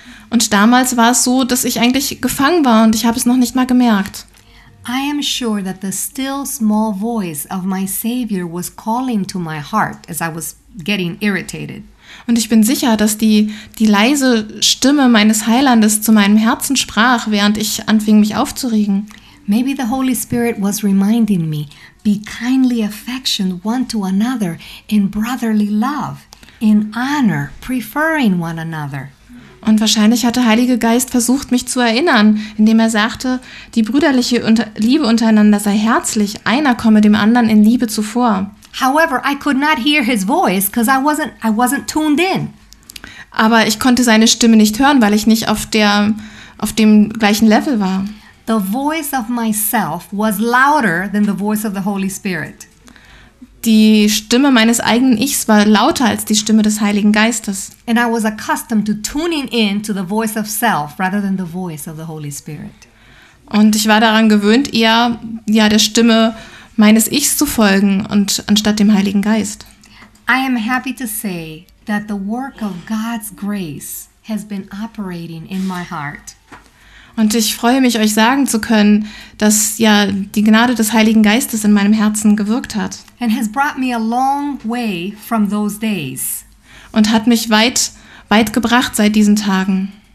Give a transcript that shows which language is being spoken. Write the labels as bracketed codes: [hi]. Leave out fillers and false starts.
[de] Und damals war es so, dass ich eigentlich gefangen war und ich habe es noch nicht mal gemerkt. [en] I am sure that the still small voice of my Savior was calling to my heart as I was getting irritated. [de] Und ich bin sicher, dass die leise Stimme meines Heilandes zu meinem Herzen sprach, während ich anfing, mich aufzuregen. [en] Maybe the Holy Spirit was reminding me, be kindly affectioned one to another in brotherly love, in honor, preferring one another. [de] Und wahrscheinlich hat der Heilige Geist versucht, mich zu erinnern, indem er sagte, die brüderliche Liebe untereinander sei herzlich, einer komme dem anderen in Liebe zuvor. [en] However, I could not hear his voice because I wasn't tuned in. [de] Aber ich konnte seine Stimme nicht hören, weil ich nicht auf der auf dem gleichen Level war. [en] The voice of myself was louder than the voice of the Holy Spirit. [de] Die Stimme meines eigenen Ichs war lauter als die Stimme des Heiligen Geistes. [en] And I was accustomed to tuning in to the voice of self rather than the voice of the Holy Spirit. [de] Und ich war daran gewöhnt, eher ja der Stimme meines Ichs zu folgen und anstatt dem Heiligen Geist. [en] I am happy to say that the work of God's grace has been operating in my heart. [de] Und ich freue mich, euch sagen zu können, dass ja die Gnade des Heiligen Geistes in meinem Herzen gewirkt hat. [en] And has brought me a long way from those days. [de] Und hat mich weit gebracht seit diesen Tagen.